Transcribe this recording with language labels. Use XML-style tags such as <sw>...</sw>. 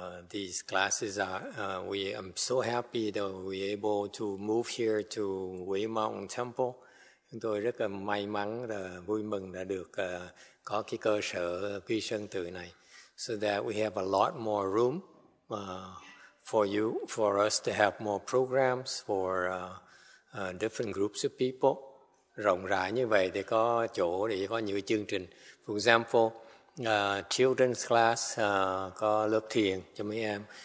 <en>These classes are, we am so happy that we're able to move here to Wei Mountain Temple.</en> <vi>Chúng tôi rất là may mắn và vui mừng đã được có cái cơ sở quy sơn tự này.</vi> <en>So that we have a lot more room for us to have more programs for different groups of people.</en> <vi>Rộng rãi như vậy thì có chỗ để có nhiều chương trình.</vi> <en>For example, children's class,</en> <vi>có lớp thiền cho mấy em.</vi>